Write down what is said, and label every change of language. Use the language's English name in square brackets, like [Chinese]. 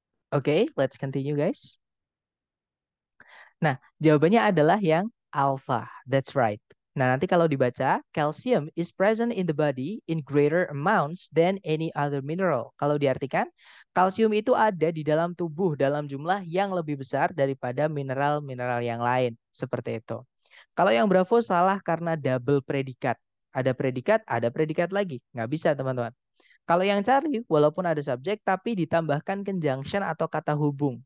[English] Okay, let's continue, guys. [Indonesian] Nah, jawabannya adalah yang alpha. [English] That's right. [Indonesian] Nah, nanti kalau dibaca, [English] calcium is present in the body in greater amounts than any other mineral. [Indonesian] Kalau diartikan, kalsium itu ada di dalam tubuh dalam jumlah yang lebih besar daripada mineral-mineral yang lain. Seperti itu. Kalau yang bravo salah karena double predikat. Ada predikat lagi. Nggak bisa, teman-teman. Kalau yang cari, walaupun ada subjek, tapi ditambahkan conjunction atau kata hubung.